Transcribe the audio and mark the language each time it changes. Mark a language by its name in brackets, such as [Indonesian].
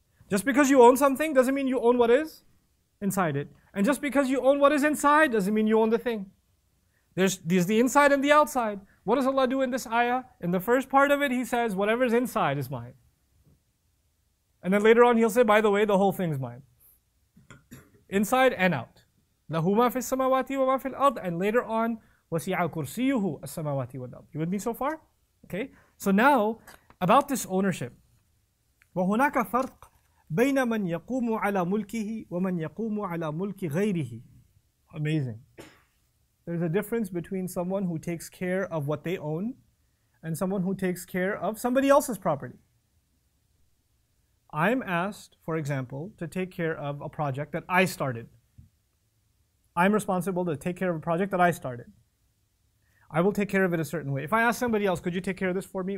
[English] Just because you own something doesn't mean you own what is inside it. And just because you own what is inside doesn't mean you own the thing. There's the inside and the outside. What does Allah do in this ayah? In the first part of it, He says, whatever is inside is mine. And then later on, He'll say, by the way, the whole thing is mine. Inside and out. [Arabic] لَهُ مَا فِي السَّمَوَاتِ وَمَا فِي الْأَرْضِ [English] And later on, [Arabic] وَسِعَ كُرْسِيُّهُ السَّمَوَاتِ وَالْأَرْضِ [English] You with me so far? Okay. So now, about this ownership. [Arabic] وَهُنَاكَ فَرْقٌ بَيْنَ مَنْ يَقُومُ عَلَى مُلْكِهِ وَمَنْ يَقُومُ عَلَى مُلْكِ غَيْرِهِ [English] Amazing. There's a difference between someone who takes care of what they own and someone who takes care of somebody else's property. I'm asked, for example, to take care of a project that I started. I'm responsible to take care of a project that I started. I will take care of it a certain way. If I ask somebody else, could you take care of this for me?